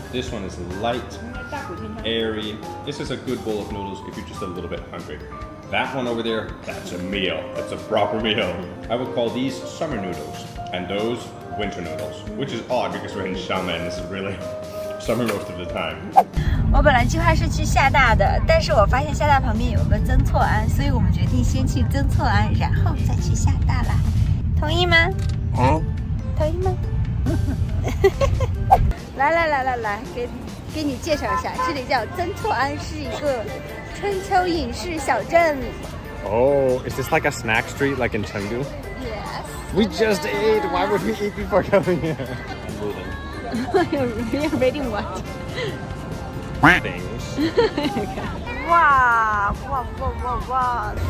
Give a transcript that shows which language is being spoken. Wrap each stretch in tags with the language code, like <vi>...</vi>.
<en>This one is light, airy. This is a good bowl of noodles if you're just a little bit hungry. That one over there, that's a meal. That's a proper meal. I would call these summer noodles, and those winter noodles, which is odd because we're in Xiamen. This is really summer most of the time.</en> <zh>我本来计划是去厦大的，但是我发现厦大旁边有个曾厝垵，所以我们决定先去曾厝垵，然后再去厦大啦。同意吗？哦，同意吗？来来来来来，给你介绍一下，这里叫曾厝垵，是一个春秋影视小镇。</zh> <en>Oh, is this like a snack street like in Chengdu? Yes. We just ate. Why would we eat before coming here? I'm moving. You're reading what? Things. Wow.</en>